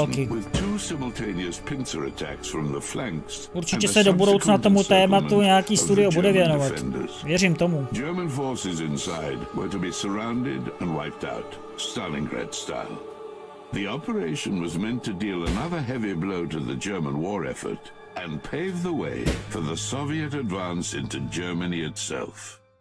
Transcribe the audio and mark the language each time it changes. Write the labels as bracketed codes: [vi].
[en] With two simultaneous pincer attacks from the flanks, [cs] určitě se do budoucna tomu tématu nějaký studio bude věnovat. Věřím tomu. [en] German forces inside were to be surrounded and wiped out, Stalingrad style. The operation was meant to deal another heavy blow to the German war effort and pave the way for the Soviet advance into Germany itself.